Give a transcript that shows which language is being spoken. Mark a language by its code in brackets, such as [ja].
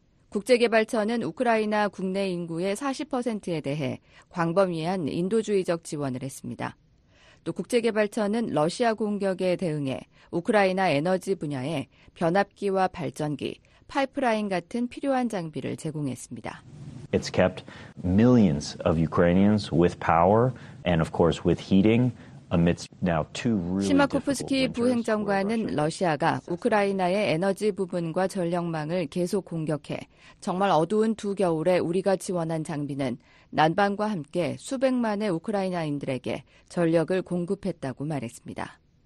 [ko] 국제개발처는 우크라이나 국내 인구의 40%에 대해 광범위한 인도주의적 지원을 했습니다. 또 국제개발처는 러시아 공격에 대응해 우크라이나 에너지 분야에 변압기와 발전기, 파이프라인 같은 필요한 장비를 제공했습니다. [en] It's kept millions of Ukrainians with power and of course with heating. [ko] 시마코프스키 부행정관은 러시아가 우크라이나의 에너지 부분과 전력망을 계속 공격해 정말 어두운 두 겨울에 우리가 지원한 장비는 난방과 함께 수백만의 우크라이나인들에게 전력을 공급했다고 말했습니다.